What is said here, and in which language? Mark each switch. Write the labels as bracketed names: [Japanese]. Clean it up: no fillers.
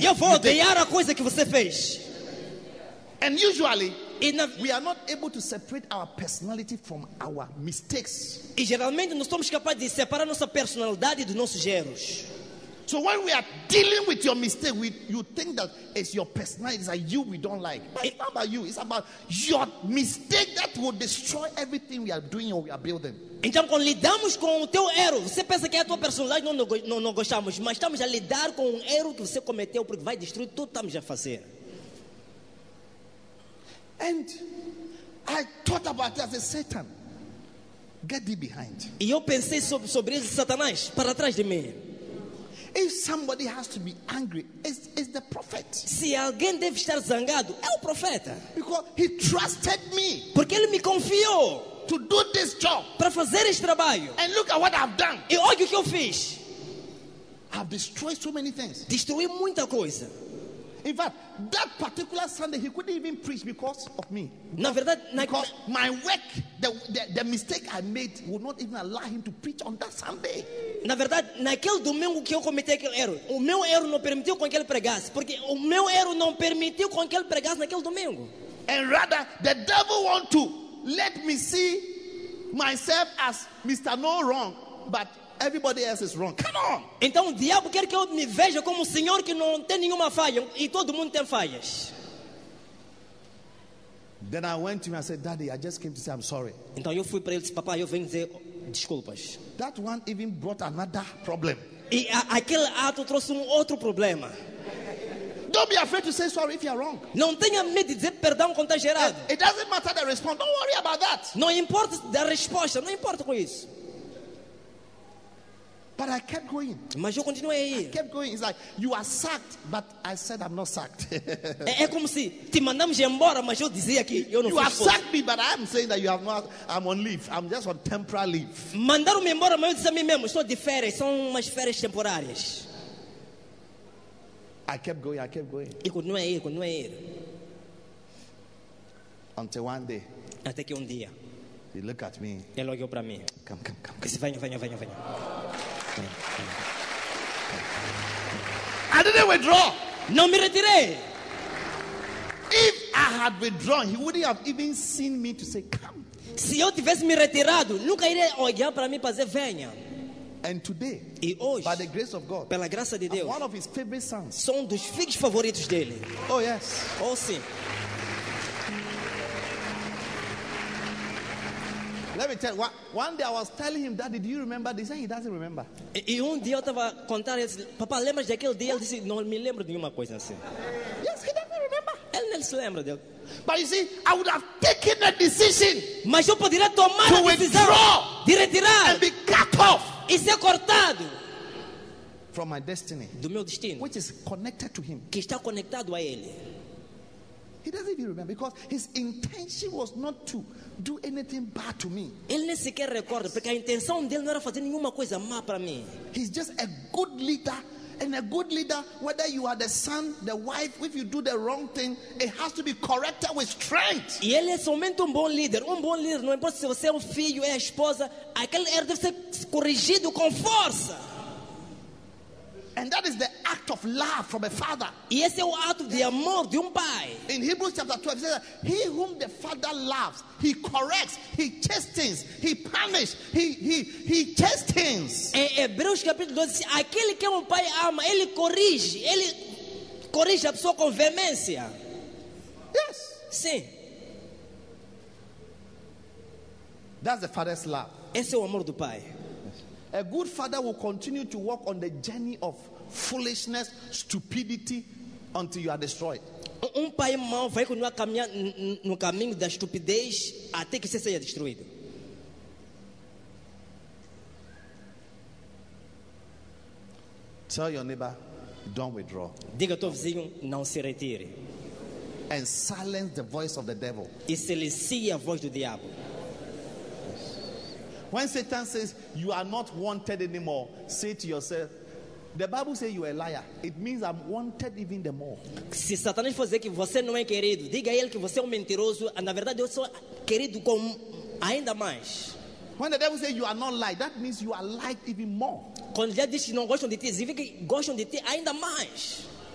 [Portuguese] Eu vou odiar a coisa que você fez. [English] And usually, we are not able to separate our personality from our mistakes. [Portuguese] E geralmente não somos capazes de separar nossa personalidade dos nossos erros. [English] So when we are dealing with your mistake, you think that it's your personality, it's like you we don't like. But it's not about you, it's about your mistake that will destroy everything we are doing or we are building. [Portuguese] Então, quando lidamos com o teu erro, você pensa que é a tua personalidade, não gostamos, mas estamos a lidar com um erro que você cometeu, porque vai destruir tudo que estamos a fazer. [English] And I thought about it as a Satan. Get thee behind. [Portuguese] E eu pensei sobre isso, Satanás, para trás de mim. [English] If somebody has to be angry, it's the prophet. [Portuguese] Se alguém deve estar zangado, é o profeta. [English] Because he trusted me. [Portuguese] Porque ele me confiou. [English] To do this job. [Portuguese] Para fazer este trabalho. [English] And look at what I've done. [Portuguese] E olha o que eu fiz. [English] I've destroyed so many things. [Portuguese] Destruí muita coisa. [English] In fact, that particular Sunday he couldn't even preach because of me. [Portuguese] Na verdade, [English] because my work, the mistake I made would not even allow him to preach on that Sunday. [Portuguese] Na verdade, naquele domingo que eu cometi aquele erro, o meu erro não permitiu com que ele pregasse, porque o meu erro não permitiu com que ele pregasse naquele domingo. [English] And rather, the devil want to let me see myself as Mr. No Wrong, but everybody else is wrong. Come on. [Portuguese] Então o diabo quer que eu me veja como um senhor que não tem nenhuma falha e todo mundo tem falhas. [English] Then I went to him and said, "Daddy, I just came to say I'm sorry." [Portuguese] Então eu fui para ele, papai, eu venho dizer desculpas. [English] That one even brought another problem. [Portuguese] E aquele ato trouxe outro problema. [English] Don't be afraid to say sorry if you are wrong. [Portuguese] Não tenha medo de dizer perdão quando estás errado. [English] It doesn't matter the response. Don't worry about that. [Portuguese] Não importa da resposta, não importa com isso. [English] But I kept going. [Portuguese] Mas eu continuei aí. [English] I kept going. It's like you are sacked, but I said I'm not sacked. [Portuguese] É como se te mandamos embora, mas eu dizia que eu não fui. [English] You have sacked me, but I'm saying that you have not. I'm on leave. I'm just on temporary leave. [Portuguese] Mandaram-me embora, mas eu disse a mim mesmo, estou de férias, são umas férias temporárias. [English] I kept going. [Portuguese] E continuei. [English] Until one day. [Portuguese] Até que dia. [English] He looked at me. [Portuguese] Ele olhou para mim. [English] Come. [Portuguese] Que se venha. [English] I didn't withdraw. [Portuguese] Não me retirei. [English] If I had withdrawn, he wouldn't have even seen me to say, "Come." [Portuguese] Se eu tivesse me retirado, nunca iria olhar para mim para dizer venha. [English] And today, [Portuguese] e hoje, [English] by the grace of God, [Portuguese] pela graça de Deus, [English] I'm one of his favorite sons. [Portuguese] Sou dos filhos favoritos dele. [English] Oh yes. [Portuguese] Oh sim. [English] Let me tell you, one day I was telling him, "Daddy, do you remember?" He said he doesn't remember. [Portuguese] E dia eu estava contando ele, papá, lembras daquele dia? Ele disse, não me lembro de nenhuma coisa assim. [English] Yes, he doesn't remember. [Portuguese] Ele não se lembra dele. [English] But you see, I would have taken a decision. [Portuguese] Mas eu poderia tomar a decisão de retirar [English] and be cut off [Portuguese] e ser cortado [English] from my destiny, [Portuguese] do meu destino, [English] which is connected to him, [Portuguese] que está conectado a ele. [English] He doesn't even remember because his intention was not to do anything bad to me. [Portuguese] Ele nem sequer recorda porque a intenção dele não era fazer nenhuma coisa má para mim. [English] He's just a good leader, and a good leader, whether you are the son, the wife, if you do the wrong thing, it has to be corrected with strength. [Portuguese] E ele é somente um bom líder. Não importa se você é filho, é esposa, aquele erro deve ser corrigido com força. [English] And that is the act of love from a father. [Portuguese] E esse é o ato de amor de pai. [English] In Hebrews chapter 12, it says that he whom the father loves, he corrects, he chastens, he punishes, he chastens. [Portuguese] Em Hebreus capítulo 12, aquele que pai ama, ele corrige a pessoa com veemência. [English] Yes. [Portuguese] Sim. [English] That's the father's love. [Portuguese] Esse é o amor do pai. [English] A good father will continue to walk on the journey of foolishness, stupidity, until you are destroyed. [Portuguese] Pai mau vai continuar caminhar no caminho da estupidez até que você seja destruído. [English] Tell your neighbor, don't withdraw. [Portuguese] Diga ao teu vizinho, não se retire. [English] And silence the voice of the devil. [Portuguese] E silencie a voz do diabo. [English] When Satan says you are not wanted anymore, say to yourself, the Bible says you are a liar. It means I'm wanted even the more. [Portuguese] Se Satanás for dizer que você não é querido, diga a ele que você é mentiroso. Na verdade, eu sou querido com ainda mais. [English] When the devil says you are not liked, that means you are liked even more. [Portuguese] Quando ele diz que não gostam de ti, significa que gostam de ti ainda mais.